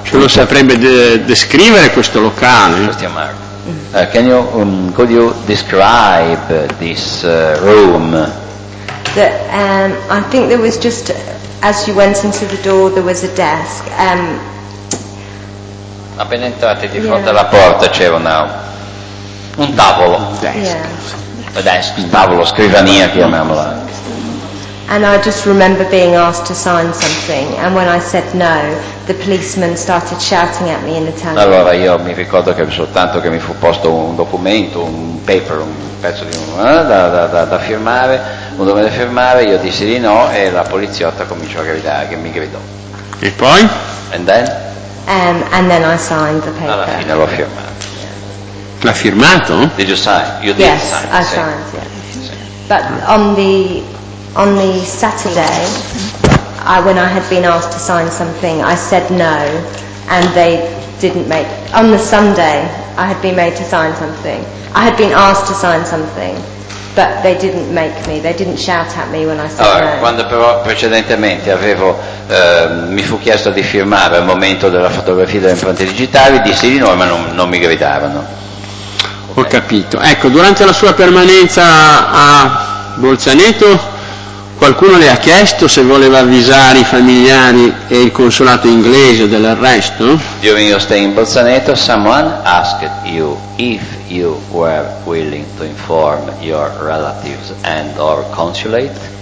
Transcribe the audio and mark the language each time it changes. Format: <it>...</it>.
<it>Ce lo saprebbe descrivere questo locale? Questo è Marco.</it> <en>Can you, could you describe this room? I think there was just, as you went into the door, there was a desk.</en> <it>Appena entrate di fronte alla porta c'era un tavolo.</it> <en>Desk. Yeah. A desk,</en> <it>tavolo, scrivania, chiamiamola.</it> <en>And I just remember being asked to sign something, and when I said no, the policeman started shouting at me in Italian.</en> <it>Allora io mi ricordo che soltanto che mi fu posto un documento, un paper, un pezzo di da firmare, un documento da firmare, io dissi di no e la poliziotta cominciò a gridare, che mi gridò. E poi?</it> <en>And then? And then I signed the paper.</en> <it>Alla fine l'ho firmato. L'ha firmato?</it> <en>Did you sign? You did sign. Yes, I signed. Yeah. But on the Saturday, when I had been asked to sign something, I said no, and they didn't make. On the Sunday, I had been made to sign something. I had been asked to sign something, but they didn't make me. They didn't shout at me when I said no.</en> <it>Quando però precedentemente avevo mi fu chiesto di firmare al momento della fotografia delle impronte digitali, dissi di no, ma non mi gridavano. Okay. Ho capito. Ecco, durante la sua permanenza a Bolzaneto, qualcuno le ha chiesto se voleva avvisare i familiari e il consolato inglese dell'arresto?</it> <en>During your stay in Bolzaneto, someone asked you if you were willing to inform your relatives and or consulate?</en>